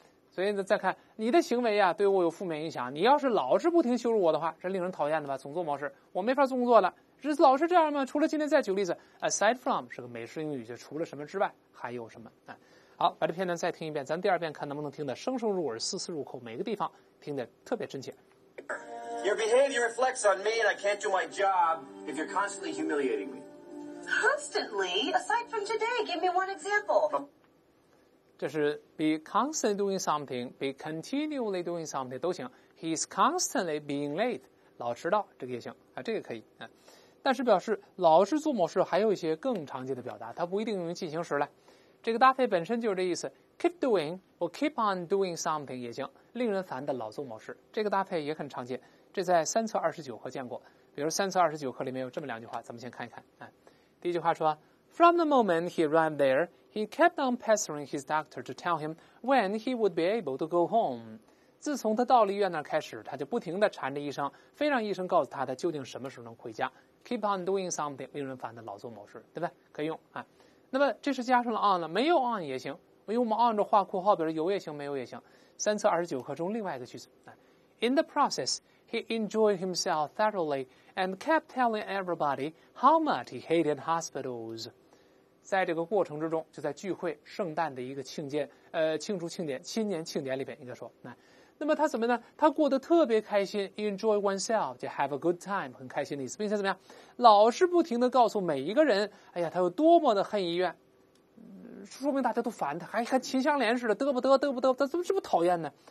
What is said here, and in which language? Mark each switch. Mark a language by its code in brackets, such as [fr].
[zh] 所以再看你的行为啊，对我有负面影响，你要是老是不停羞辱我的话，这令人讨厌的吧，总做模式，我没法做工作了，是老是这样吗？除了今天再举个例子， [en] aside from [zh] 是个美式英语，就除了什么之外还有什么、好，把这片段再听一遍，咱第二遍看能不能听得声声入耳，丝丝入口，每个地方听得特别真切。 [en] Your behavior reflects on me and I can't do my job if you're constantly humiliating me. Constantly? Aside from today, give me one example. [zh] 这是 [en] be constantly doing something, [zh] be continually doing something 都行。 [en] He's constantly being late, [zh] 老迟到，这个也行啊，这个可以啊。但是表示老是做某事，还有一些更常见的表达，它不一定用于进行时来。这个搭配本身就是这意思 ， [en] keep doing [zh] 或 [en] keep on doing something [zh] 也行。令人烦的老做某事，这个搭配也很常见，这在三册二十九课见过。比如三册二十九课里面有这么两句话，咱们先看一看啊。第一句话说 [en] ，From the moment he arrived there。 He kept on pestering his doctor to tell him when he would be able to go home. [zh] 自从他到了医院那儿开始，他就不停地缠着医生，非让医生告诉他他究竟什么时候能回家。 [en] Keep on doing something, [zh] 令人烦的老做模式，对不对？可以用啊。那么这是加上了 on 了，没有 on 也行，因为我们 on 着画括号表示有也行，没有也行。三册二十九课中另外一个句子、 [en] In the process, he enjoyed himself thoroughly and kept telling everybody how much he hated hospitals. [zh] 在这个过程之中，就在聚会圣诞的一个新年庆典里边，应该说那么他怎么呢？他过得特别开心 ， [en] enjoy oneself， [zh] 就 [en] have a good time， [zh] 很开心的意思，并且怎么样，老是不停的告诉每一个人，哎呀，他有多么的恨医院，说明大家都烦他，还秦香莲似的嘚不嘚嘚不嘚，他怎么这么讨厌呢？